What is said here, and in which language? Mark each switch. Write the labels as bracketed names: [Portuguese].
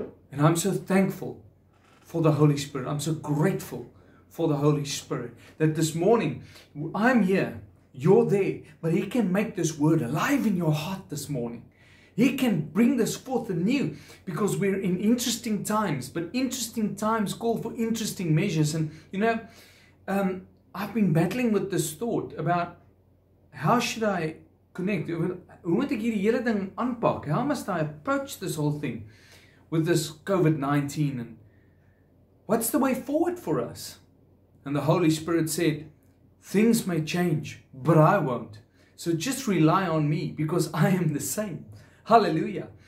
[English] And I'm so thankful for the Holy Spirit. I'm so grateful for the Holy Spirit, that this morning, I'm here, you're there, but He can make this Word alive in your heart this morning. He can bring this forth anew, because we're in interesting times, but interesting times call for interesting measures. And you know, I've been battling with this thought about how should I connect? [Afrikaans] Hoe moet ek hierdie hele ding aanpak? [English] How must I approach this whole thing with this COVID-19? And what's the way forward for us? And the Holy Spirit said, things may change, but I won't. So just rely on me, because I am the same. Hallelujah.